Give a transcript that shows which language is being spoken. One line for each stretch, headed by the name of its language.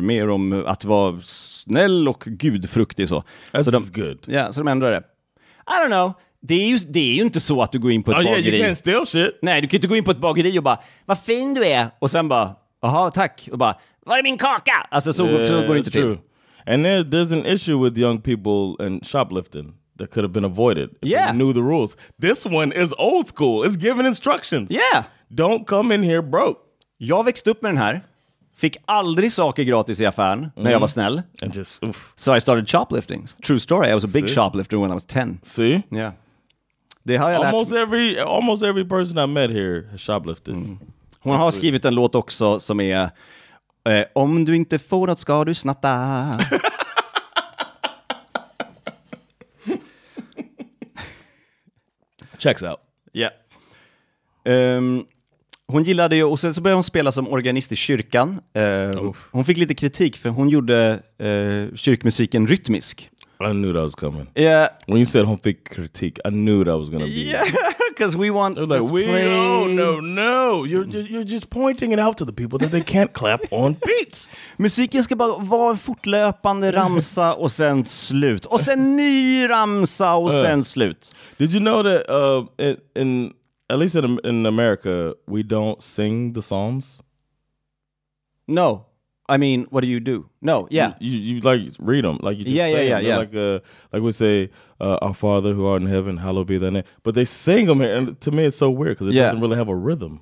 Swedish: Mer om att vara snäll och gudfruktig. Så.
English: That's
Swedish: så de,
English: good.
Swedish: Ja, yeah, så de ändrade det.
English: I don't know.
Swedish: Det är ju inte så att du går in på ett bageri.
English: Oh yeah, you can't steal shit.
Swedish: Nej, du kan inte gå in på ett bageri och bara, vad fin du är. Och sen bara, aha, tack. Och bara... Var är min kaka? Alltså så, yeah, så går det inte true. Till.
English: And there's an issue with young people and shoplifting that could have been avoided if they knew the rules. This one is old school. It's giving instructions. Yeah. Don't come in here broke.
Swedish: Jag växte upp med den här. Fick aldrig saker gratis i affären när jag var snäll.
English: And just, oof. So I started shoplifting. True story. I was a big shoplifter when I was 10. See? Yeah.
Swedish: Det har jag
English: almost every person I met here has shoplifted. Mm.
Swedish: Hon har skrivit en låt också som är... om du inte får något ska du snatta.
English: Checks out. Yeah.
Swedish: Hon gillade ju, och sen så började hon spela som organist i kyrkan. Hon fick lite kritik för hon gjorde kyrkmusiken rytmisk.
English: I knew that was coming. Yeah. When you said
Swedish: hon fick kritik,
English: I knew that was gonna be. Yeah. Because we want to like, we play. No. You're just pointing it out to the people that they can't clap on beats.
Swedish: Musiken ska bara vara en fortlöpande ramsa och sen slut. Och sen ny ramsa och sen slut.
English: Did you know that in America, we don't sing the Psalms? No. I mean, what do you do? No, yeah. You like read them, like you just yeah, say yeah, them. Yeah, yeah. Like we say, "Our Father who art in heaven, hallowed be thy name." But they sing them, and to me, it's so weird because it doesn't really have a rhythm.